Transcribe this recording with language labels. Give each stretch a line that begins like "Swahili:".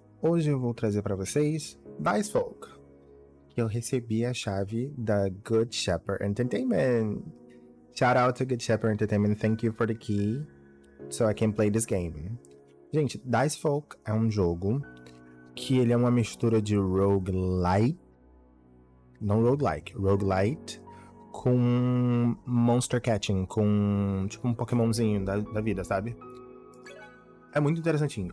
Portuguese: Hoje eu vou trazer para vocês Dice Folk. Eu recebi a chave da Good Shepherd Entertainment.
English: Shout out to Good Shepherd Entertainment, thank you for the key so I can play this game.
Portuguese: Gente, Dice Folk é um jogo que ele é uma mistura de roguelite. Não roguelike, roguelite. Com monster catching, com tipo um Pokémonzinho da vida, sabe? É muito interessantinho.